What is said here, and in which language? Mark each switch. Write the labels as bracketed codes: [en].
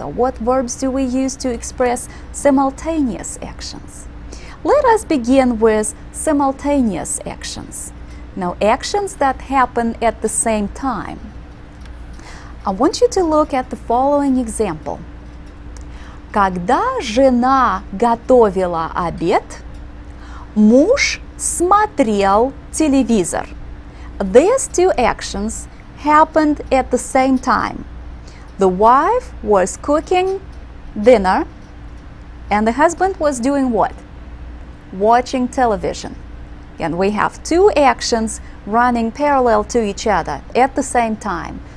[en] Or what verbs do we use to express simultaneous actions? Let us begin with simultaneous actions. Now, actions that happen at the same time. I want you to look at the following example. [ru] Когда жена готовила обед, муж смотрел телевизор. [en] These two actions happened at the same time. The wife was cooking dinner, and the husband was doing what? Watching television. And we have two actions running parallel to each other at the same time.